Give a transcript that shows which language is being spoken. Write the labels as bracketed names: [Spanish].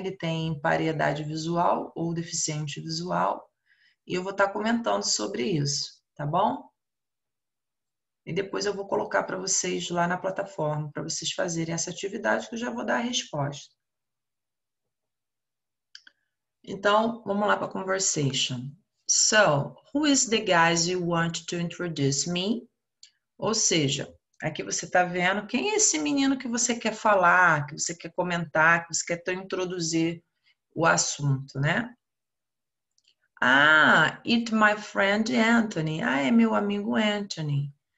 [Portuguese] Ele tem impariedade visual ou deficiente visual. E eu vou estar comentando sobre isso, tá bom? E depois eu vou colocar para vocês lá na plataforma, para vocês fazerem essa atividade, que eu já vou dar a resposta. Então, vamos lá para a conversation. [English] So, who is the guy you want to introduce me? [Portuguese] Ou seja, aqui você está vendo quem é esse menino que você quer falar, que você quer comentar, que você quer introduzir o assunto, né? [English] Ah, it's my friend Anthony. [Portuguese] Ah, é meu amigo Anthony.